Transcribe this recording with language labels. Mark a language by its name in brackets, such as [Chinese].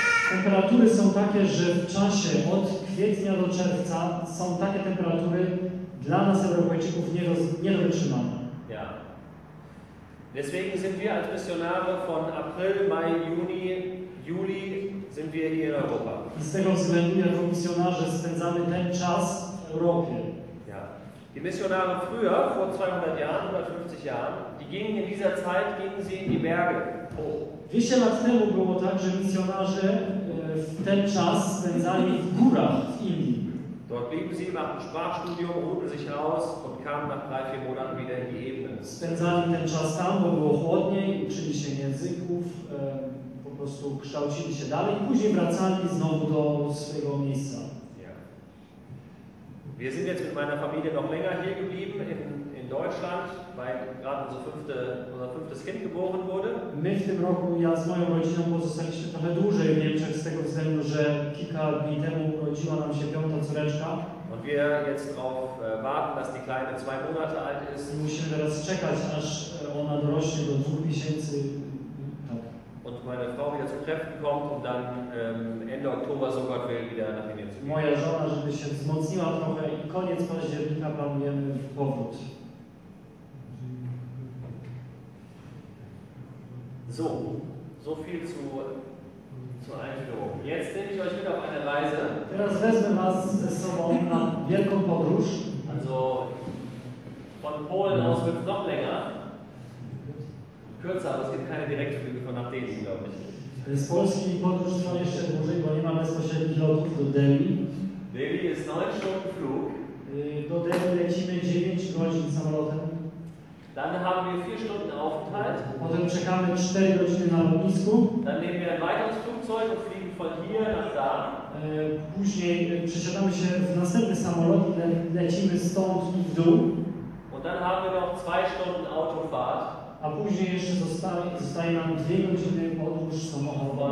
[Polish] Temperatury są takie, że w czasie od kwietnia do czerwca są takie temperatury dla nas Europejczyków nie do wytrzymania. [German] Ja. Deswegen sind wir als Missionare von April, Mai, Juni, Juli sind wir hier in Europa. [Polish] Z tego względu jako misjonarze spędzamy ten czas w Europie. [German] Ja. Die Missionare früher, vor 200 Jahren, 150 Jahren, die gingen in dieser Zeit, gingen sie in die Berge hoch. [Polish] 200 lat temu było tak, że misjonarze w ten czas spędzali w górach w Indii. [German] Dort blieben sie, machten Sprachstudium, ruhten sich aus und kamen nach 3-4 Monaten wieder in die Ebene. [Polish] Spędzali ten czas tam, bo było chłodniej, uczyli się języków, po prostu kształcili się dalej i później wracali znowu do swojego miejsca. [German] Wir sind jetzt mit meiner Familie noch länger hier geblieben in Deutschland, weil gerade unser fünftes Kind geboren wurde. [Polish] My w tym roku, ja z moją rodziną pozostaliśmy trochę dłużej w Niemczech z tego względu, że kilka dni temu urodziła nam się piąta córeczka. [German] Und wir jetzt drauf warten, dass die Kleine 2 Monate alt ist. [Polish] I musimy teraz czekać, aż ona dorośnie do 2 miesięcy. Tak. [German] Und meine Frau wieder zu Kräften kommt und dann Ende Oktober, so Gott will, wieder nach Indien zu gehen. [Polish] Moja żona, żeby się wzmocniła trochę i koniec października planujemy w powrót. [German] So, so viel zur Einführung. Jetzt nehme ich euch wieder auf eine Reise. [Polish] Teraz wezmę was ze sobą na wielką podróż. [German] Also, von Polen aus wird es noch länger. Kürzer, aber es gibt keine direkte Flüge von nach Delhi, glaube ich. [Polish] Z Polski podróż trwa jeszcze dłużej, bo nie ma bezpośrednich lotów do Delhi. [German] Delhi ist 9 Stunden Flug. [Polish] Do Delhi lecimy 9 godzin samolotem. [German] Dann haben wir 4 Stunden Aufenthalt. [Polish] Potem czekamy 4 godziny na lotnisku. [German] Dann nehmen wir ein weiteres Flugzeug und fliegen von hier nach da. [Polish] Później przesiadamy się w następny samolot i lecimy stąd i w dół. [German] Und dann haben wir noch 2 Stunden Autofahrt. [Polish] A później jeszcze zostaje nam 2 godziny podróż samochodową.